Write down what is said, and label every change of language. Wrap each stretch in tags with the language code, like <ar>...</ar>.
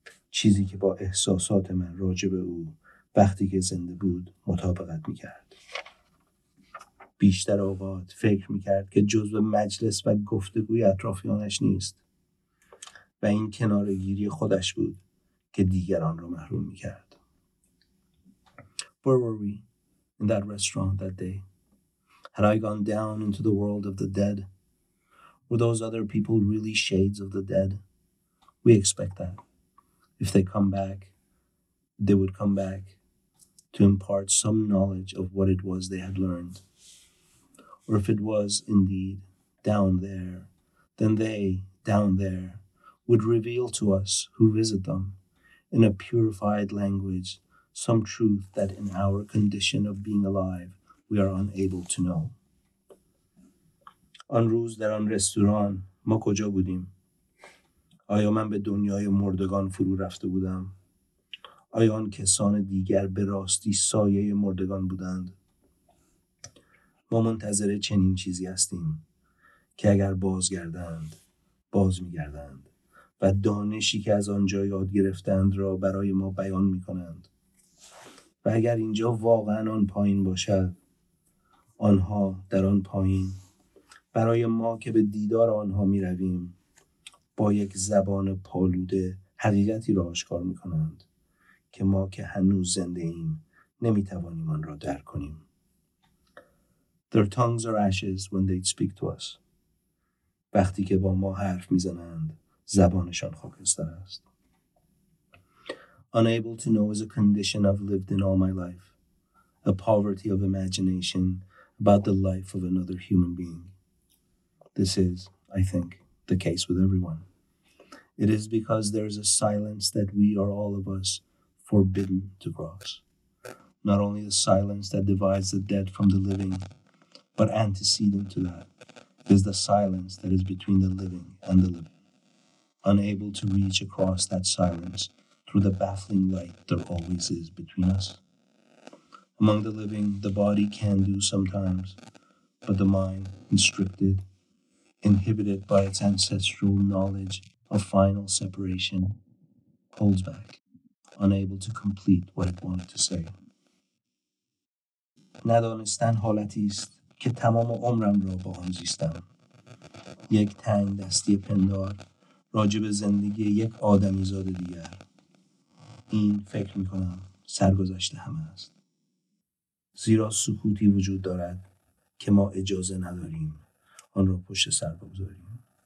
<fa>چیزی که با احساسات من راجع به او وقتی که زنده بود مطابقت می‌کرد. بیشتر اوقات فکر می‌کرد که جزء مجلس و گفتگوی اطرافیانش نیست و این کنارگیری خودش بود که دیگران را محروم می‌کرد.</fa> <en>Where were we in that restaurant that day? Had I gone down into the world of the dead? Were those other people really shades of the dead? We expect that. If they come back, they would come back to impart some knowledge of what it was they had learned. Or if it was indeed down there, then they, down there, would reveal to us who visit them, in a purified language, some truth that in our condition of being alive, we are unable to know.</en> <fa>آن روز در آن رستوران ما کجا بودیم؟ آیا من به دنیای مردگان فرو رفته بودم؟ آیا آن کسان دیگر به راستی سایه مردگان بودند؟ ما منتظر چنین چیزی هستیم که اگر بازگردند، باز می‌گردند و دانشی که از آنجا یاد گرفتند را برای ما بیان می‌کنند. و اگر اینجا واقعاً آن پایین باشد، آنها در آن پایین برای ما که به دیدار آنها می‌رویم با یک زبان پالوده حقیقتی را آشکار می‌کنند که ما که هنوز زنده ایم نمی‌توانیم آن را درک کنیم.</fa> <en>Their tongues are ashes when they speak to us.</en> <fa>وقتی که با ما حرف می‌زنند زبانشان خاکستر است.</fa> <en>Unable to know is a condition I've lived in all my life, a poverty of imagination about the life of another human being. This is, I think, the case with everyone. It is because there is a silence that we are all of us forbidden to cross. Not only the silence that divides the dead from the living, but antecedent to that is the silence that is between the living and the living. Unable to reach across that silence through the baffling light there always is between us. Among the living, the body can do sometimes, but the mind, constricted, inhibited by its ancestral knowledge of final separation, holds back, unable to complete what it wanted to say.</en> <fa>ندانستن حالتی است که تمام عمرم را با آن زیستم. یک تنگ دستی پندار راجب زندگی یک آدمیزاد دیگر. این فکر میکنم سرگذشت همه است. زیرا سکوتی وجود دارد که ما اجازه نداریم آن را پشت سر بگذاریم.</fa>